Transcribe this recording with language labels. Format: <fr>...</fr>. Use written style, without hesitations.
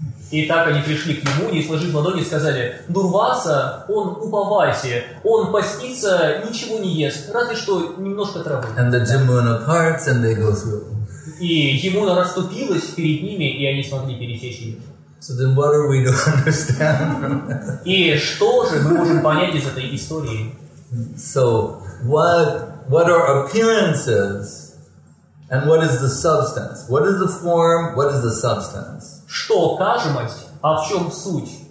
<ru>И так они пришли к нему, не сложив ладони, и сказали: «Дурваса, он упавайся, он постится, ничего не ест, разве что немножко травы».</ru> <en>And the Jamuna parts, and they go through.</en> <ru>И Ямуна расступилась перед ними, и они смогли пересечь ее.</ru> <en>So then what are we to understand?</en> <ru>И что же мы можем понять из этой истории?</ru> <en>So what are appearances, and what is the substance? What is the form? What is the substance?</en> <ru>Что кажемость, а в чем суть?</ru>